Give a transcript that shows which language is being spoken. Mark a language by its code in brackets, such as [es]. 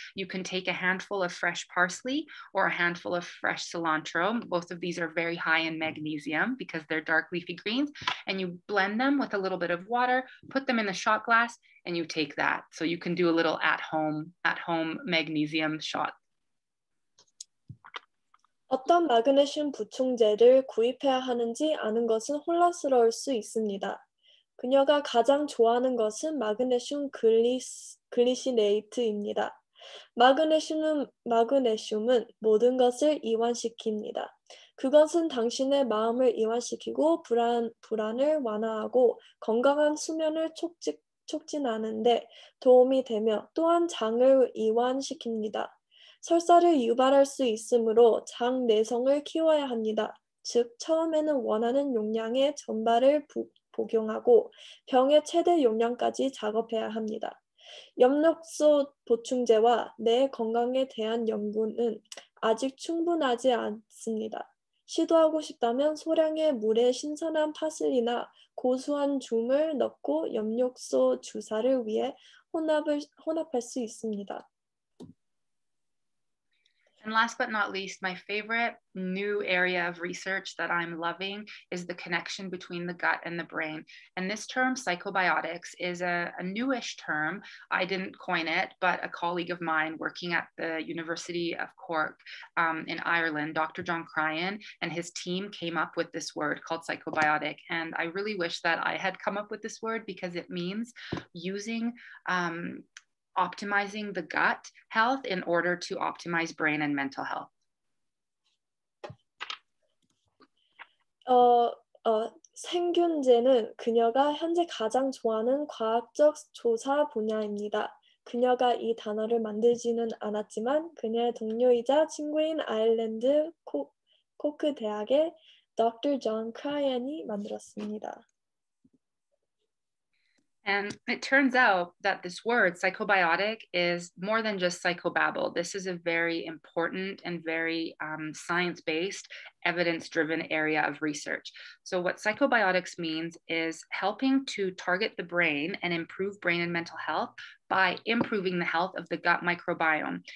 [en] You can take a handful of fresh parsley or a handful of fresh cilantro. Both of these are very high in magnesium because they're dark leafy greens. And you blend them with a little bit of water, put them in the shot glass, and you take that. So you can do a little at-home magnesium shot. [ko] 어떤 마그네슘 보충제를 구입해야 하는지 아는 것은 혼란스러울 수 있습니다. 그녀가 가장 좋아하는 것은 마그네슘 글리시네이트입니다. 마그네슘은 모든 것을 이완시킵니다. 그것은 당신의 마음을 이완시키고 불안을 완화하고 건강한 수면을 촉진하는데 도움이 되며 또한 장을 이완시킵니다. 설사를 유발할 수 있으므로 장 내성을 키워야 합니다. 즉, 처음에는 원하는 용량의 전발을 복용하고 병의 최대 용량까지 작업해야 합니다. 엽록소 보충제와 내 건강에 대한 연구는 아직 충분하지 않습니다. 시도하고 싶다면 소량의 물에 신선한 파슬리나 고소한 줌을 넣고 엽록소 주사를 위해 혼합할 수 있습니다. [en] And last but not least, my favorite new area of research that I'm loving is the connection between the gut and the brain. And this term, psychobiotics, is a newish term. I didn't coin it, but a colleague of mine working at the University of Cork in Ireland, Dr. John Cryan, and his team came up with this word called psychobiotic. And I really wish that I had come up with this word because it means using... optimizing the gut health in order to optimize brain and mental health. [ko] 생균제는 그녀가 현재 가장 좋아하는 과학적 조사 분야입니다. 그녀가 이 단어를 만들지는 않았지만 그녀의 동료이자 친구인 아일랜드 코크 대학의 Dr. John Cryan이 만들었습니다. [en] And it turns out that this word, psychobiotic, is more than just psychobabble. This is a very important and very science-based, evidence-driven area of research. So what psychobiotics means is helping to target the brain and improve brain and mental health by improving the health of the gut microbiome.